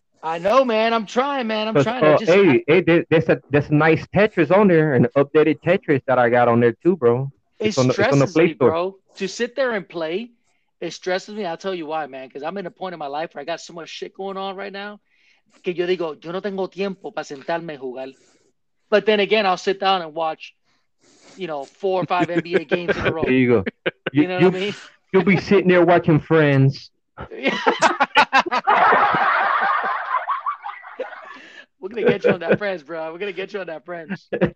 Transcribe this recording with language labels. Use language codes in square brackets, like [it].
[en] I know, man. I'm trying, man. There's a nice Tetris on there, an updated Tetris that I got on there too, bro. It stresses me, bro. To sit there and play, it stresses me. I'll tell you why, man. Because I'm in a point in my life where I got so much shit going on right now. [es] Que yo digo, yo no tengo tiempo para sentarme a jugar. [en] But then again, I'll sit down and watch, you know, 4 or 5 NBA games in a row. There you go. You know what I mean? You'll be sitting there watching Friends. We're going to get you on that Friends, bro. We're going to get you on that Friends.